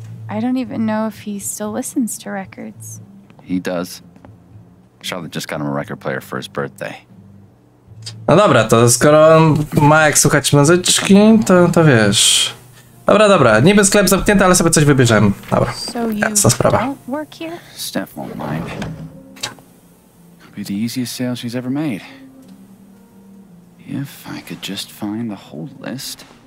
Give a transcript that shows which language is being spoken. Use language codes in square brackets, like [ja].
[en] I don't even know if he still listens to records. He does. Charlotte just got him a record player for his birthday. [pl] No dobra, to skoro ma jak słuchać muzyczki, to wiesz. Dobra, dobra. Niby sklep zamknięty, ale sobie coś wybierzemy. Dobra. Jasna sprawa. [en] Steph won't mind. It'll be the easiest sale she's ever made. If I could just find the whole list.